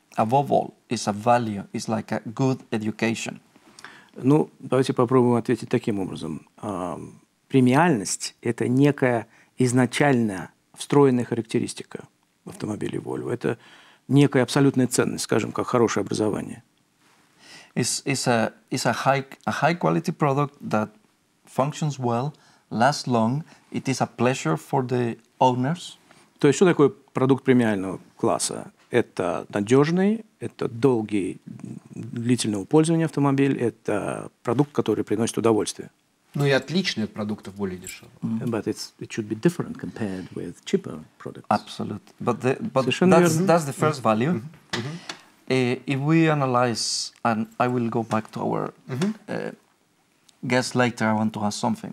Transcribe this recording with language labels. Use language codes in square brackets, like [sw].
[en] Above all, it's a value, it's like a good education. [ru] Ну, давайте попробуем ответить таким образом. Премиальность – это некая изначально встроенная характеристика автомобилей Volvo. Это некая абсолютная ценность, скажем, как хорошее образование. [en] It's a high quality product that functions well, lasts long. It is a pleasure for the owners. [ru] То есть что такое продукт премиального класса? Это надежный, это долгий, длительного пользования автомобиль, это продукт, который приносит удовольствие. Ну и отличный от продуктов более дешевый. [en] But it should be different compared with cheaper products. Absolutely. But that's the first value. If we analyze, and I will go back to our guest later, I want to ask something.